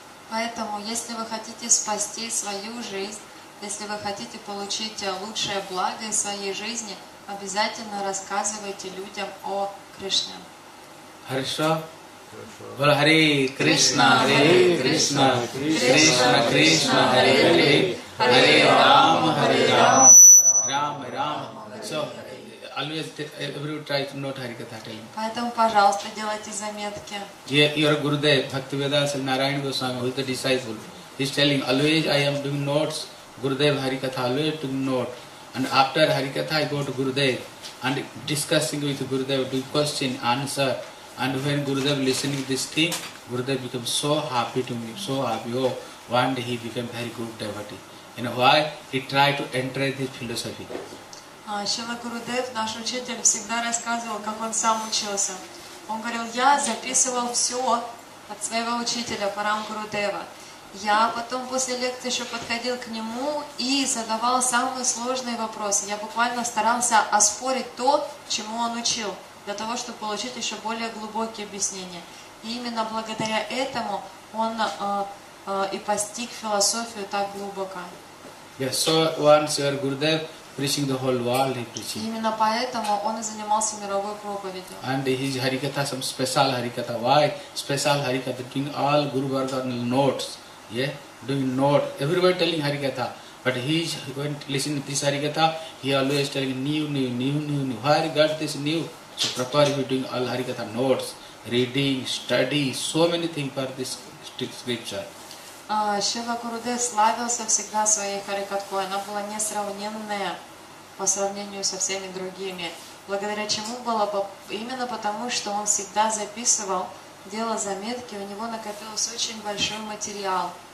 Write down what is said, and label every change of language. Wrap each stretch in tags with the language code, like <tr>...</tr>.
<ru>Поэтому, если вы хотите спасти свою жизнь, если вы хотите получить лучшее благо из своей жизни, обязательно рассказывайте людям о Кришне. Хорошо.</ru> <sa>Well, Hare Krishna, Hare Krishna, Krishna Krishna, Hare Hare, Hare Rama, Hare Rama, Rama Rama.</sa> <en>So, always, everyone try to note Harikatha telling.</en> <ru>Поэтому, пожалуйста, делайте заметки.</ru> <en>Yeah, your Gurudev, Bhaktivedanta Narayana Goswami, who is the disciple, he is telling, always I am doing notes, Gurudev Harikatha, always to note. And after Harikatha, I go to Gurudev, and discussing with Gurudev, do question, answer. And when Gurudev listening this thing, Gurudev becomes so happy to me, so happy. Oh, one day he became very good devotee. And why? He tried to enter this philosophy.</en> <ru>Шрила Гурудев, наш учитель, всегда рассказывал, как он сам учился. Он говорил, я записывал все от своего учителя, Парам Гурудева. Я потом после лекции еще подходил к нему и задавал самые сложные вопросы. Я буквально старался оспорить то, чему он учил, для того, чтобы получить еще более глубокие объяснения. И именно благодаря этому он и постиг философию так глубоко.</ru> <en>Yes, so once your Gurudev preaching the whole world, he preaching.</en> <ru>Именно поэтому он и занимался мировой проповедью.</ru> <en>And his Harikatha, some special Harikatha. Why? Special Harikatha, doing all Guru Vardhanal notes. Yeah? Doing note. Everybody telling Harikatha. But he is going to listen to this Harikatha. He always telling new. Why he got this new? So Prabhupada is doing all Harikatha notes, reading, study, so many things for this scripture.</en> <ru>Шрила Гурудев славился всегда своей Харикатхой. Она была несравненная по сравнению со всеми другими. Благодаря чему было? Именно потому, что он всегда записывал, делал заметки, у него накопился очень большой материал.</ru>